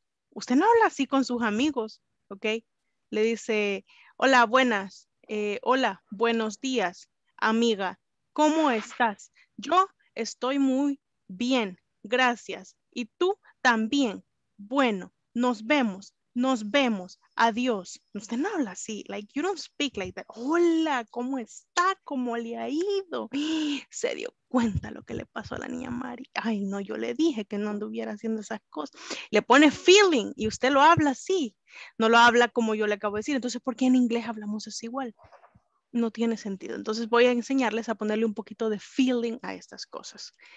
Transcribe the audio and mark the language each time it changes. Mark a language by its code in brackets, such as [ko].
[es] Usted no habla así con sus amigos, ¿ok? Le dice, hola, buenas, hola, buenos días, amiga, ¿cómo estás? Yo estoy muy bien, gracias, y tú también, bueno, nos vemos, adiós. Usted no habla así, [en] like, you don't speak like that. [es] Hola, ¿cómo está? ¿Cómo le ha ido? Se dio cuenta lo que le pasó a la niña Mari. Ay, no, yo le dije que no anduviera haciendo esas cosas. Le pone feeling y usted lo habla así. No lo habla como yo le acabo de decir. Entonces, ¿por qué en inglés hablamos así igual? No tiene sentido. Entonces, voy a enseñarles a ponerle un poquito de feeling a estas cosas.